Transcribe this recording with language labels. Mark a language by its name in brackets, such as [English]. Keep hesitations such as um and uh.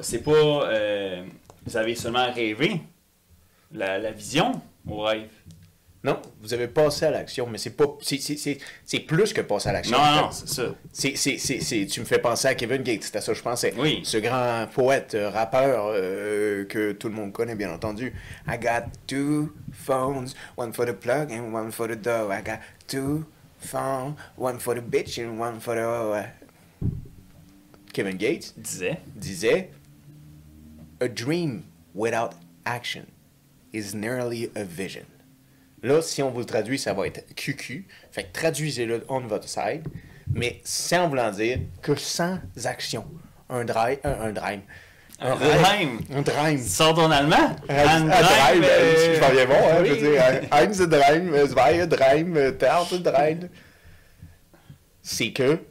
[French] C'est pas euh, vous avez seulement rêvé la, la vision au rêve. Non, vous avez passé à l'action, mais c'est pas, c'est, c'est, c'est, plus que passer à l'action. Non, non, c'est ça. C'est, c'est, c'est, tu me fais penser à Kevin Gates, c'est à ça que je pensais. Oui. Ce grand poète, rappeur euh, que tout le monde connaît, bien entendu. [English] I got two phones, one for the plug and one for the door. I got two phones, one for the bitch and one for the. [French] Kevin Gates disait. disait [English] A dream without action is nearly a vision. [French] Là, si on vous le traduit, ça va être QQ. Fait que traduisez-le on votre side. Mais c'est en voulant dire que sans action, un drime. Un, Un, dryme, un drime. Un, un drime. Sort en allemand. Râme, un un drime. Je parle bon, oui. hein. Je veux dire, zwei drime, drime. C'est que